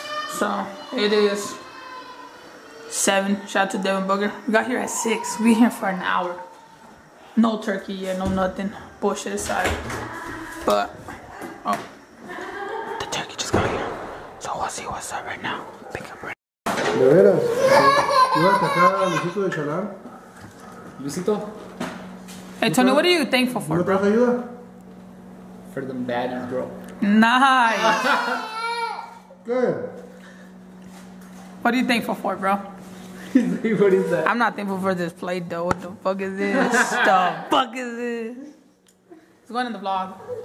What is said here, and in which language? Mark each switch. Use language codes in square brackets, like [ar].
[en] So it is 7. Shout out to Devin Booger. We got here at 6. We here for an hour. No turkey, yeah, no nothing. Bullshit aside. But, oh. The turkey just got here. So we'll see what's up right now. Pick up right now. [es] De veras. ¿Tú vas a sacar a Luisito de Chalán? Luisito. [en] Hey, Tony, what are you thankful for? [es] ¿No traes ayuda? [en] For the baddest girl. Nice. Good. What are you thankful for, bro? What is that? I'm not thankful for this plate, though. What the fuck is this? The fuck is this? It's going in the vlog.